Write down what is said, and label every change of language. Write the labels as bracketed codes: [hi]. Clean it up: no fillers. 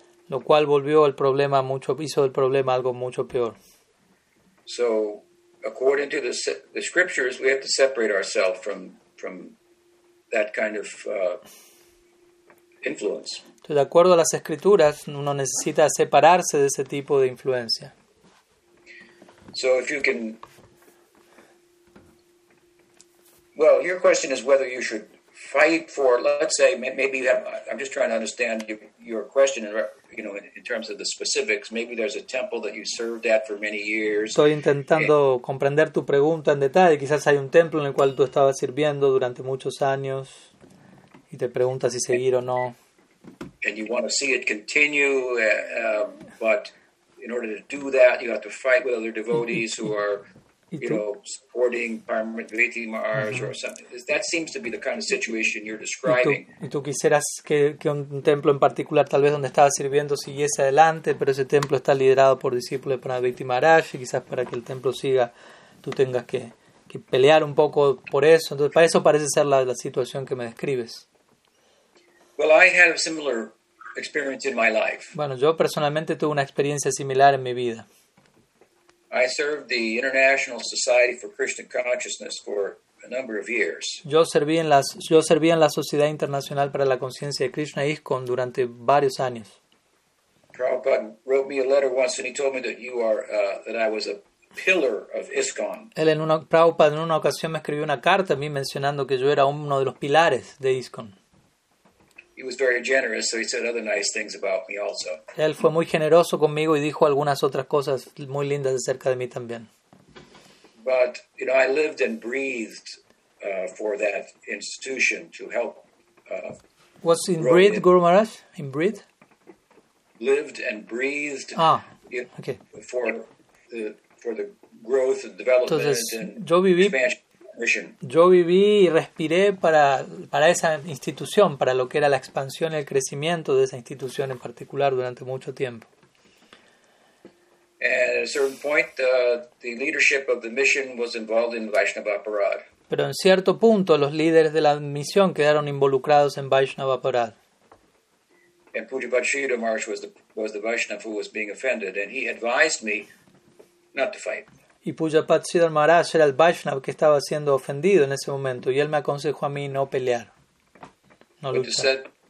[es] Lo cual volvió el problema mucho, hizo el problema algo mucho peor. [en] So according to the scriptures, we have to separate ourselves from that kind of influence. [es] Entonces, de acuerdo a las escrituras, uno necesita separarse de ese tipo de influencia. [en] So if you can Well, your question is whether you should fight for, let's say, maybe you have, I'm just trying to understand your question, you know, in terms of the specifics. Maybe there's a temple that you served at for many years. [es] Estoy intentando comprender tu pregunta en detalle. Quizás hay un templo en el cual tú estabas sirviendo durante muchos años y te preguntas si seguir o no. [en] And you want to see it continue, but in order to do that, you have to fight with other devotees who are, you know, supporting Paramahamsa Maharaj or something. That seems to be the kind of situation you're describing. [es] Y tú quisieras que un templo en particular, tal vez donde estaba sirviendo, siguiese adelante, pero ese templo está liderado por discípulos de Paramahamsa Maharaj, y quizás para que el templo siga, tú tengas que pelear un poco por eso. Entonces, para eso parece ser la situación que me describes. [en] Well, I had a similar experience in my life. [es] Bueno, yo personalmente tuve una experiencia similar en mi vida. [en] I served the International Society for Krishna Consciousness for a number of years. [es] Yo serví en la Sociedad Internacional para la Conciencia de Krishna, ISKCON, durante varios años. [en] Prabhupada wrote me a letter once and he told me that you are that I was a pillar of ISKCON. [es] Prabhupada en una ocasión me escribió una carta a mí mencionando que yo era uno de los pilares de ISKCON. [en] He was very generous, so he said other nice things about me also. [es] Él fue muy generoso conmigo y dijo algunas otras cosas muy lindas acerca de mí también. [en] But, you know, I lived and breathed for that institution to help. What's in breathe, Guru Maharaj? In breathe? Lived and breathed. Ah, okay. For the growth and development. [es] Entonces, [en] and [es] yo viví... [en] expansion. [es] Yo viví y respiré para esa institución, para lo que era la expansión y el crecimiento de esa institución en particular durante mucho tiempo. [en] At a certain point, the leadership of the mission was involved in Vaishnava Parad. [es] Pero en cierto punto, los líderes de la misión quedaron involucrados en Vaishnava Parad. [en] And Pujapachita Maharaj was the Vaishnava who was being offended, and he advised me not to fight. [es] Y Pujapat Sridhar Maharaj era el Vaishnava que estaba siendo ofendido en ese momento. Y él me aconsejó a mí no pelear, no luchar.